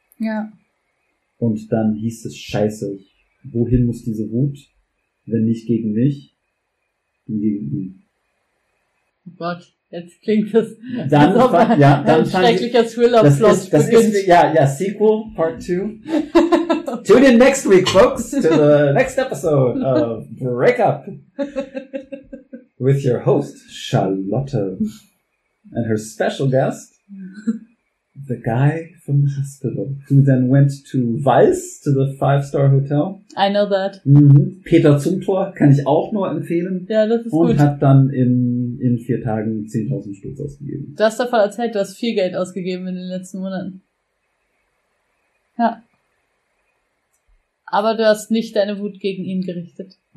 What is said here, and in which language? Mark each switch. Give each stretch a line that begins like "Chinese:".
German: Ja. Und dann hieß es, scheiße, wohin muss diese Wut, wenn nicht gegen mich, dann gegen ihn. Oh Gott, jetzt klingt das dann so ein schrecklicher Thriller-Plot. Das ist Sequel, Part 2.
English: Tune in next week, folks, to the next episode of Breakup with your host, Charlotte. And her special guest, the guy from the hospital, who then went to Weiss, to the 5-star hotel. I know that. Mm-hmm.
German: Peter Zumthor kann ich auch nur empfehlen. Ja, das ist und gut. Und hat dann in 4 Tagen 10.000 Stutz ausgegeben. Du hast davon erzählt, du hast viel Geld ausgegeben in den letzten Monaten. Ja. Aber du hast nicht deine Wut gegen ihn gerichtet.